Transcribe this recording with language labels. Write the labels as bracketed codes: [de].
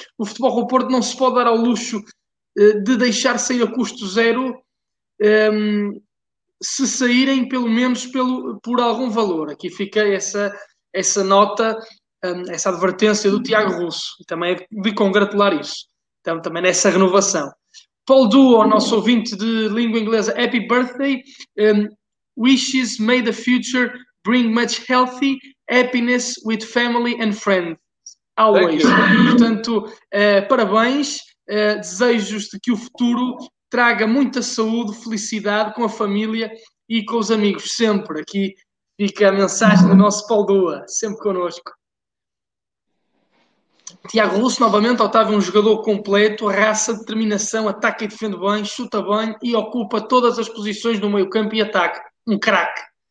[pt] O Futebol do Porto não se pode dar ao luxo de deixar sair a custo zero. Se saírem pelo menos por algum valor, aqui fica essa nota, essa advertência do Tiago Russo, também é de congratular isso, então, também nessa renovação. [en] Paul Duo, [pt] nosso ouvinte de língua inglesa, [en] happy birthday, wishes may the future bring much healthy happiness with family and friends always. [pt] Portanto, parabéns, desejos de que o futuro traga muita saúde, felicidade com a família e com os amigos, sempre. Aqui fica a mensagem do nosso Paulo Dua, sempre connosco. Tiago Russo, novamente, Otávio, um jogador completo, raça, determinação, ataca e defende bem, chuta bem e ocupa todas as posições no meio-campo e ataque. Um craque.